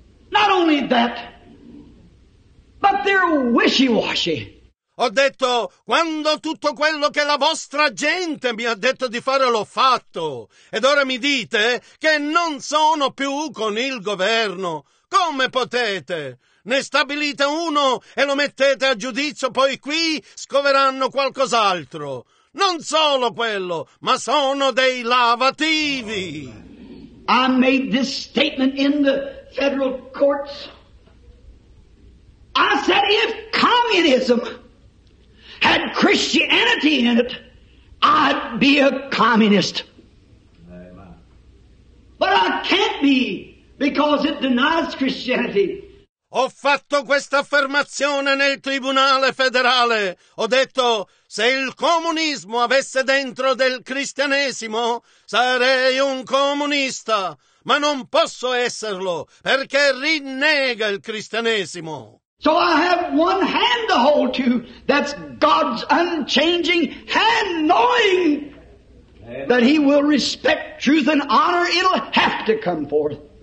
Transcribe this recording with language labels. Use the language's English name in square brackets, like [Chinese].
[English] Not only that, but they're wishy-washy. [Italian] Ho detto, quando tutto quello che la vostra gente mi ha detto di fare l'ho fatto. Ed ora mi dite che non sono più con il governo. Come potete? Ne stabilite uno e lo mettete a giudizio, poi qui scoveranno qualcos'altro. Non solo quello, ma sono dei lavativi. [English] I made this statement in the federal courts. I said if communism had Christianity in it, I'd be a communist. But I can't be because it denies Christianity. [Italian] Ho fatto questa affermazione nel Tribunale federale. Ho detto, se il comunismo avesse dentro del cristianesimo, sarei un comunista. Ma non posso esserlo, perché rinnega il cristianesimo. [English] So I have one hand to hold to, that's God's unchanging hand, knowing that he will respect truth and honor, it'll have to come forth.